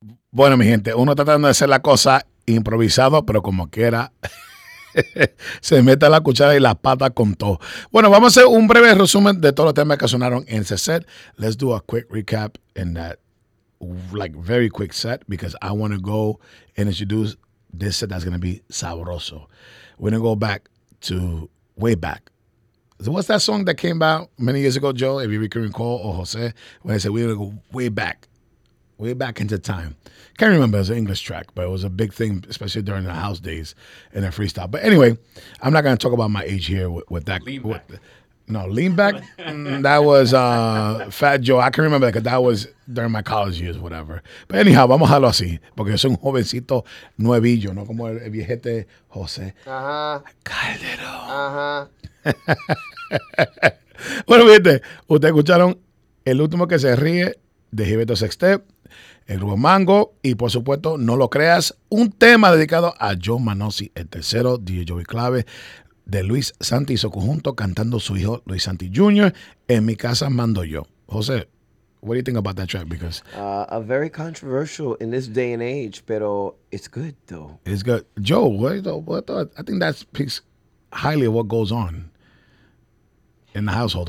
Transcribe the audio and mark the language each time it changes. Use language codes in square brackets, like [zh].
[es] Bueno, mi gente, uno tratando de hacer la cosa improvisado, pero como quiera, se mete la cuchara y la pata con todo. Bueno, vamos a hacer un breve resumen de todos los temas que sonaron en ese set. [en] Let's do a quick recap in that, like, very quick set, because I want to go and introduce this set that's going to be sabroso. We're going to go back to way back. What's that song that came out many years ago, Joe, if you can recall, or Jose, when I said we're going to go way back. Way back into time. Can't remember, it was an English track, but it was a big thing, especially during the house days and a freestyle. But anyway, I'm not going to talk about my age here with that. Lean Back. Lean Back, that was Fat Joe. I can remember that because that was during my college years, whatever. But anyhow, [es] vamos a hablarlo así, porque es un jovencito nuevillo, no como el viejete José. Calderón. Bueno, viste, ustedes escucharon el último que se ríe de Gilberto Sextet, el grupo Mango, y por supuesto, no lo creas, un tema dedicado a Joe Manossi, el tercero, DJ Joey Clave, de Luis Santi y su conjunto, cantando su hijo Luis Santi Jr., En Mi Casa Mando Yo. [en] José, what do you think about that track? Because A very controversial in this day and age, pero it's good, though. It's good. Joe, I think that speaks highly of what goes on in the household.